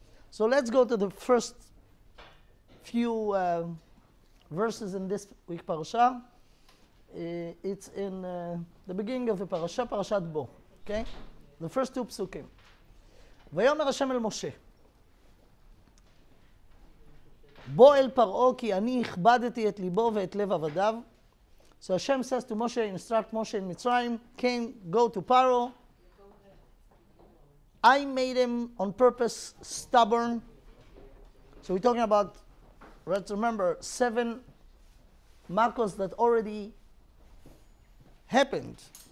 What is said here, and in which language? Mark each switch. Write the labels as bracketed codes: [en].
[en] So let's go to the first few verses in this week parasha. It's in the beginning of the parasha, Parashat Bo, okay? The first two psukim. [he] ויאמר השם אל משה, בו אל פרעו כי אני הכבדתי את ליבו ואת לב עבדיו. [en] So Hashem says to Moshe, instruct Moshe in Mitzrayim, came, go to Paro. I made him on purpose stubborn. So we're talking about, let's remember, seven makos that already happened.